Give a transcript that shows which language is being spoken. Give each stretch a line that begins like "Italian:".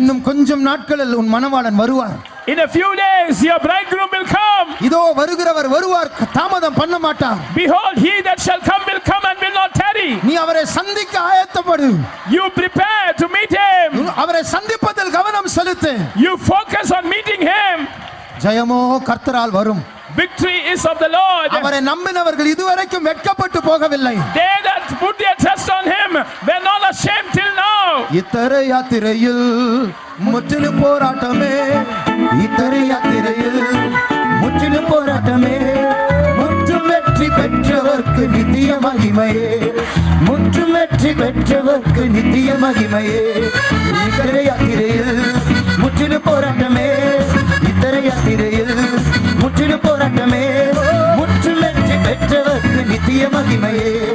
Tamil: இன்னும் கொஞ்சம் நாட்களில் உன் மனவாளன் வருவார்
English: in a few days your bridegroom will come
Tamil: இதோ வருகிறவர் வருவார் தாமதம் பண்ண மாட்டார்
English: behold he that shall come will come and will not tarry
Tamil: நீ அவரை சந்திக்க ஆயத்தப்படு
English: you prepare to meet him
Tamil: அவரை சந்திப்பதில் கவனம் செலுத்து
English: you focus on meeting him
Tamil: ஜெயமோ கர்த்தரால் வரும்
English: victory is of the lord
Tamil: அவரை நம்பினவர்கள் இதுவரைக்கும் வெட்கப்பட்டு போகவில்லை
English: they that put their trust on him were not ashamed till now
Tamil: இத்தரை யாத்திரையில் முற்றிலும் போராட்டமே இத்தரை யாத்திரையில் முற்றிலும் போராட்டமே முற்றும் வெற்றி பெற்றவர்க்கு நித்திய மகிமையே முற்றும் வெற்றி பெற்றவர்க்கு நித்திய மகிமையே இத்தரை யாத்திரையில் முற்றிலும் போராட்டமே இத்தரை யாத்திரையில் முற்றிலும் போராட்டமே முற்றும் வெற்றி பெற்றவர்க்கு நித்திய மகிமையே